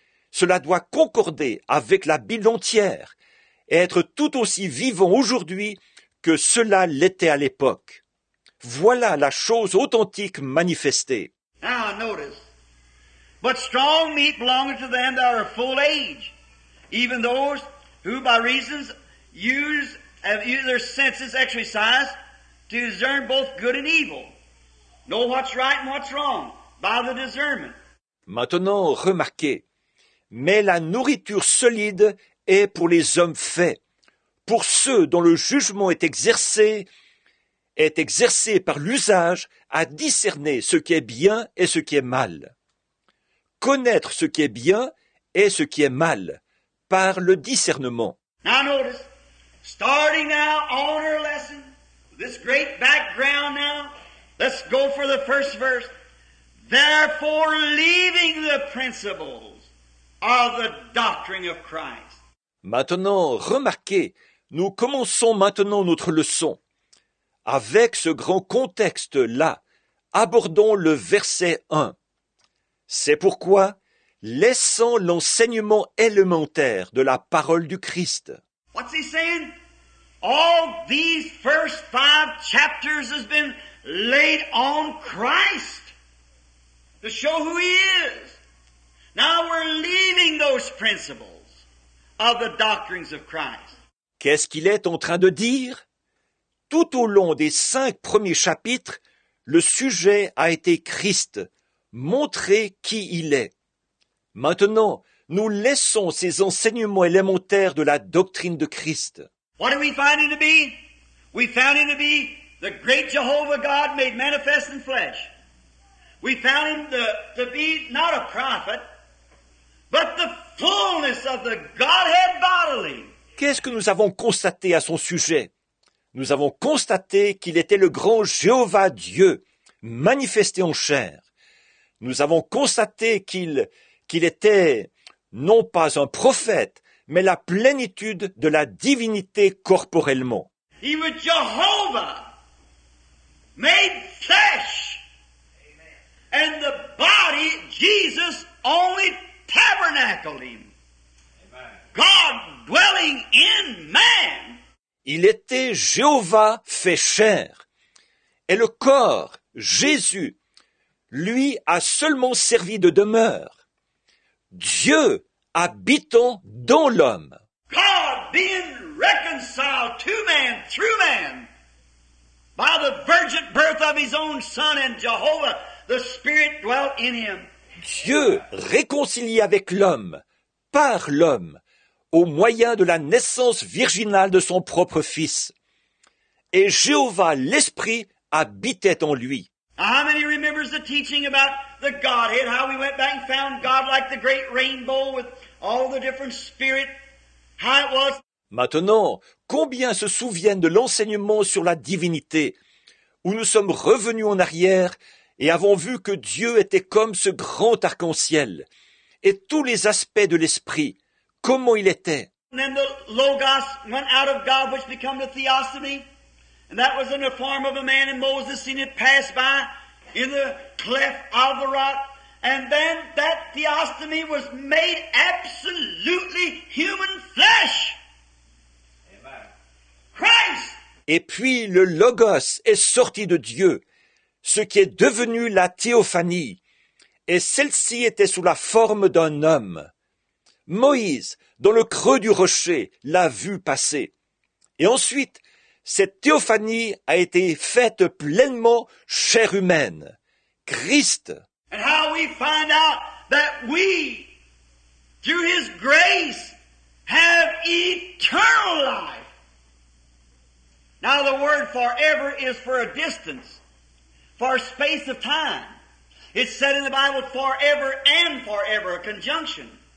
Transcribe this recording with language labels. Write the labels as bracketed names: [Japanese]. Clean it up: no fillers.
[French] Cela doit concorder avec la Bible entière et être tout aussi vivant aujourd'hui que cela l'était à l'époque. Voilà la chose authentique manifestée. [English] Now notice, but strong meat belongs to them that are full age, even those who by reasons have used their senses exercised to discern both good and evil, know what's right and what's wrong by the discernment. [French] Maintenant remarquez, mais la nourriture solide est pour les hommes faits, pour ceux dont le jugement est exercé par l'usage à discerner ce qui est bien et ce qui est mal. Connaître ce qui est bien et ce qui est mal, par le discernement. [English] Now notice, starting now on our lesson, this great background now, let's go for the first verse. Therefore leaving the principle of the doctrine of Christ. [French] Maintenant, remarquez, nous commençons maintenant notre leçon. Avec ce grand contexte-là, abordons le verset 1. C'est pourquoi, laissant l'enseignement élémentaire de la parole du Christ. [English] What's he saying? All these first five chapters has been laid on Christ to show who he is. Now we're leaving those principles of the doctrines of Christ. [French] Qu'est-ce qu'il est en train de dire? Tout au long des cinq premiers chapitres, le sujet a été Christ, montrer qui il est. Maintenant, nous laissons ces enseignements élémentaires de la doctrine de Christ. [English] What did we find it to be? We found it to be the great Jehovah God made manifest in flesh. We found him to be not a prophet, but the fullness of the Godhead bodily. [French] Qu'est-ce que nous avons constaté à son sujet? Nous avons constaté qu'il était le grand Jéhovah Dieu, manifesté en chair. Nous avons constaté qu'il était non pas un prophète, mais la plénitude de la divinité corporellement. [English] He was Jehovah, made flesh, and the body, Jesus, only tabernacled him. God dwelling in man. [French] Il était Jéhovah fait chair. Et le corps, Jésus, lui a seulement servi de demeure. Dieu habitant dans l'homme. [English] God being reconciled to man through man by the virgin birth of his own son and Jehovah, the Spirit dwelt in him. [French] Dieu réconcilié avec l'homme, par l'homme, au moyen de la naissance virginale de son propre fils. Et Jéhovah, l'Esprit, habitait en lui. [English] How many remembers the teaching about the Godhead, how we went back and found God like the great rainbow with all the different spirits, how it was? [French] Maintenant, combien se souviennent de l'enseignement sur la divinité, où nous sommes revenus en arrière et avons vu que Dieu était comme ce grand arc-en-ciel, et tous les aspects de l'Esprit, comment il était? [English] And then the Logos went out of God, which became the theosophy. And that was in the form of a man, and Moses seen it pass by in the cleft of the rock. And then that theostomy was made absolutely human flesh. Amen. Christ! [French] Et puis le Logos est sorti de Dieu, ce qui est devenu la théophanie. Et celle-ci était sous la forme d'un homme. Moïse, dans le creux du rocher, l'a vu passer. Et ensuite, cette théophanie a été faite pleinement chair humaine, Christ. [English] And how we find out that we, through his grace, have eternal life. Now the word forever is for a distance, for a space of time. It's said in the Bible forever and forever, a conjunction.